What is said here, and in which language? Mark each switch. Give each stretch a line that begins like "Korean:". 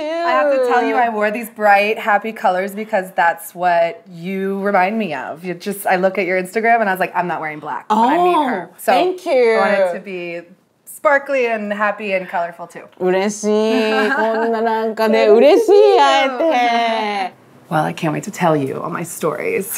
English: I have to tell you, I wore these bright, happy colors because that's what you remind me of. You just, I look at your Instagram and I was like, I'm not wearing black when I meet her. So, thank you! I want it to be... Sparkly and happy and colorful too.
Japanese: 嬉しい。こんななんかね、嬉しい、あえて。
English: Well, I can't wait to tell you all my stories.